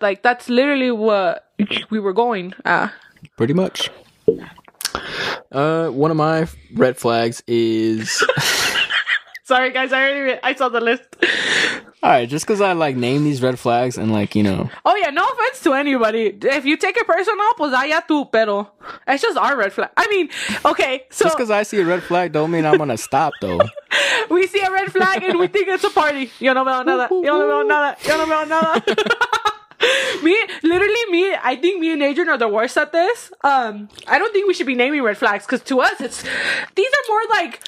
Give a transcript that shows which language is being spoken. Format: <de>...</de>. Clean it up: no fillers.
<en>Like, that's literally what we were going at. Pretty much. One of my red flags is. Sorry, guys. I saw the list. All right, just because I, like, name these red flags and, like, you know. Oh, yeah, no offense to anybody. If you take it personal,</en> <es>pues allá tú, pero.</es> <en>It's just our red flag. I mean, okay, so. Just because I see a red flag don't mean I'm going to stop, though. We see a red flag and we think it's a party.</en> <es>Yo no veo nada. Yo no veo nada. Yo no veo nada.</es> <en>I think me and Adrian are the worst at this. I don't think we should be naming red flags because to us, these are more like.</en>